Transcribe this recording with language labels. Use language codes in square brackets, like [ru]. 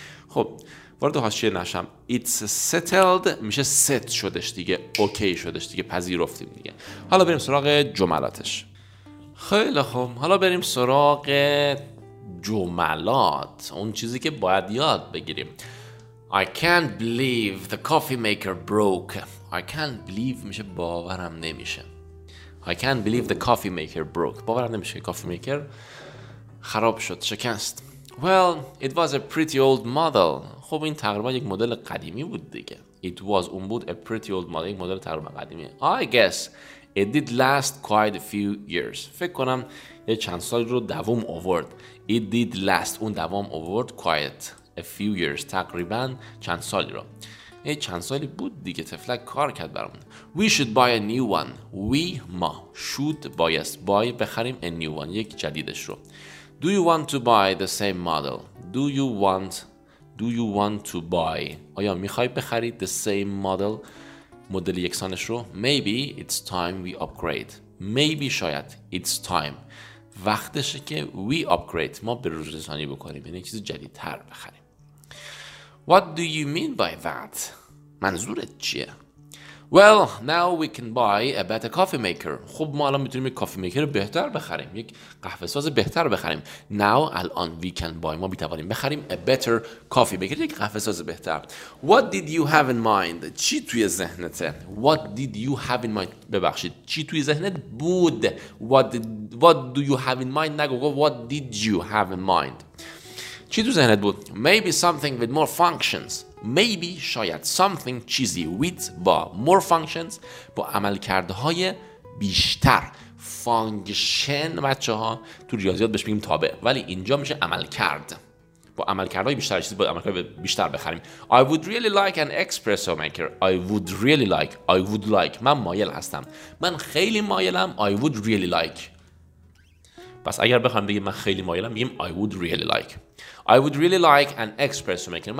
[fa] خب وارد حاشیه نشم. [en] It's settled [fa] میشه set شدش دیگه، اوکی شدش دیگه، پذیرفتیم دیگه. حالا بریم سراغ جملاتش. خیلی خوب، حالا بریم سراغ جملات، اون چیزی که باید یاد بگیریم. [en] I can't believe the coffee maker broke. I can't believe [fa] میشه باورم نمیشه. [en] I can't believe the coffee maker broke. [fa] باورم نمیشه coffee maker خراب شد، شکست. [en] Well, it was a pretty old model. [fa] خب این تقریبا یک مدل قدیمی بود دیگه. [en] It was [fa] اون بود [en] a pretty old model، [fa] یک مدل تقریبا قدیمی. [en] I guess It did last quite a few years. [fa] فکر کنم یه چند سال رو دوام آورد. [en] It did last. [fa] اون دوام آورد [en] quite a few years. [fa] تقریبا چند سالی رو. یه چند سالی بود دیگه تفلک کار کرد برامون. [en] We should buy a new one. We, ما. Should, bayest. Buy, بخریم a new one. [fa] یک جدیدش رو. [en] Do you want to buy the same model? Do you want to buy? [fa] آیا میخوای بخرید [en] the same model؟ [fa] مدل یکسانش رو. [en] Maybe it's time we upgrade. Maybe شاید. It's time. [fa] وقتشه که [en] we upgrade. [fa] ما به روز رسانی بکنیم. یعنی چیز جدیدتر بخریم. [en] What do you mean by that? [fa] منظورت چیه؟ [en] Well, now we can buy a better coffee maker. [fa] خب ما الان میتونیم یک کافی میکر بهتر بخریم. یک قهوه ساز بهتر بخریم. [en] Now, الان we can buy. [fa] ما میتوانیم بخریم [en] a better coffee maker. [fa] یک قهوه ساز بهتر. [en] What did you have in mind? [fa] چی توی ذهنته؟ [en] What did you have in mind? [fa] ببخشید. چی توی ذهنت بود؟ [en] What do you have in mind? [fa] نگو گو. [en] What did you have in mind? [fa] چی توی ذهنت بود؟ [en] Maybe something with more functions. Maybe [fa] شاید [en] something [fa] چیزی [en] with [fa] با [en] more functions [fa] با عملکردهای بیشتر function بچه ها تو ریاضیات بهش میگیم تابع ولی اینجا میشه عملکرد با عملکردهای بیشتر چیزی با عملکرد بیشتر بخریم [en] I would really like an espresso maker I would like [fa] من مایل هستم من خیلی مایلم [en] I would really like [fa] پس اگر بخوام بگیم من خیلی مایلم میگیم [en] I would really like I would really like an espresso maker.